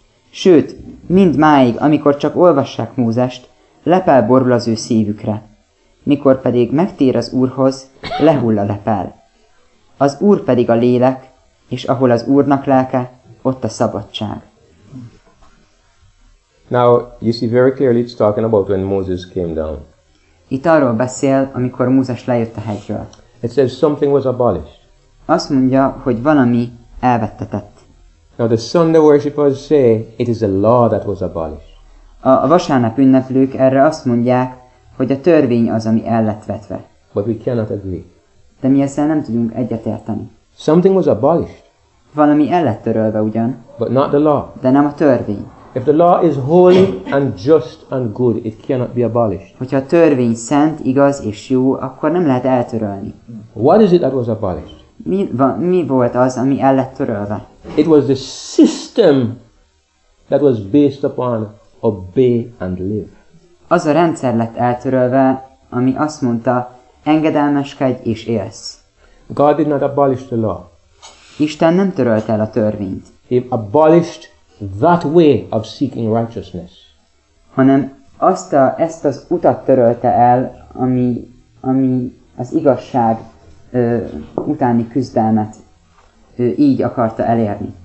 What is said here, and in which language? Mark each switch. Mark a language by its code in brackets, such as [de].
[hu] Sőt, mind máig, amikor csak olvassák Mózest, lepel borul az ő szívükre. Mikor pedig megtér az Úrhoz, lehull a lepel. Az Úr pedig a lélek, és ahol az Úrnak lelke, ott a szabadság. [en] Now, you see very clearly it's talking about when Moses came down. [hu] Itt arról beszél, amikor Mózes lejött a hegyről. [en] It says something was abolished. [hu] Azt mondja, hogy valami elvettetett. [en] Now the Sunday worshipers say it is the law that was abolished. [hu] A vasárnap ünneplők erre azt mondják, hogy a törvény az, ami el lett vetve. [en] But we cannot agree. [hu] De mi ezzel nem tudunk egyetérteni. [en] Something was abolished. [hu] Valami el lett törölve ugyan. [en] But not the law. [hu] De nem a törvény. [en] If the law is holy and just and good, it cannot be abolished. [hu] Hogyha a törvény szent, igaz és jó, akkor nem lehet eltörölni. [en] What is it that was abolished? [hu] Mi volt az, ami el lett törölve? [en] It was the system that was based upon obey and live. [hu] Az a rendszer lett eltörölve, ami azt mondta, engedelmeskedj és élsz. [en] God did not abolish the law. [hu] Isten nem törölte el a törvényt. [en] He abolished that way of seeking righteousness. [hu] Hanem ezt az utat törölte el, ami az igazság utáni küzdelmet így akarta elérni.